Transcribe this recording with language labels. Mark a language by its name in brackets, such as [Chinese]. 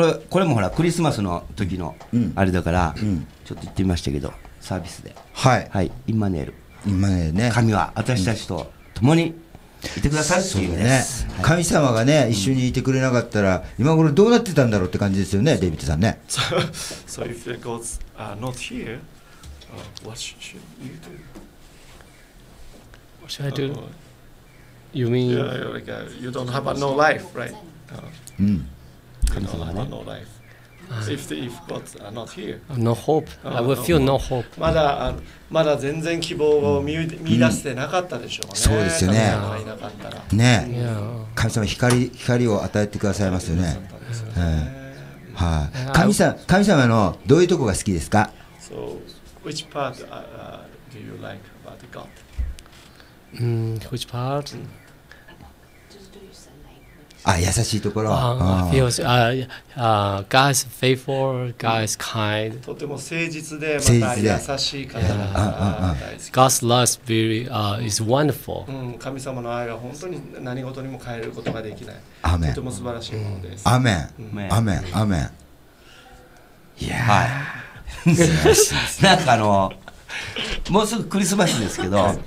[Japanese] これもほらクリスマスの時のあれだから、うん、ちょっと言ってみましたけどサービスで、はい、はい、インマヌエル、インマヌエルね、神は私たちと共にいてくださるっていう意味です。そうね、神様がね、はい、一緒にいてくれなかったら、うん、今頃どうなってたんだろうって感じですよね、デイビッドさんね。 [English] So if God's not here, what should you do? What should I do? You mean you don't have a no life, right? No. You don't have a no life. If God's not here. No hope. I will feel no hope. [Japanese] まだ全然希望を見出してなかったでしょうね。そうですよね。神様がいなかったら。ね。 [English] Yeah. [Japanese] 神様は光を与えてくださいますよね。 [English] Yeah. [Japanese] はい、あ。神様のどういうとこが好きですか？ [English] So, which part do you like about God? Which part? [Japanese] Ah, 優しいところ。 [English] God is faithful, God is kind. [Japanese] とても誠実で、また優しい方が大好き。 [English] God's love is very, is wonderful. [Japanese] 神様の愛は本当に何事にも変えることができない。アーメン。とても素晴らしいものです。アーメン。アーメン。アーメン。いやー。なんかもうすぐクリスマスですけど、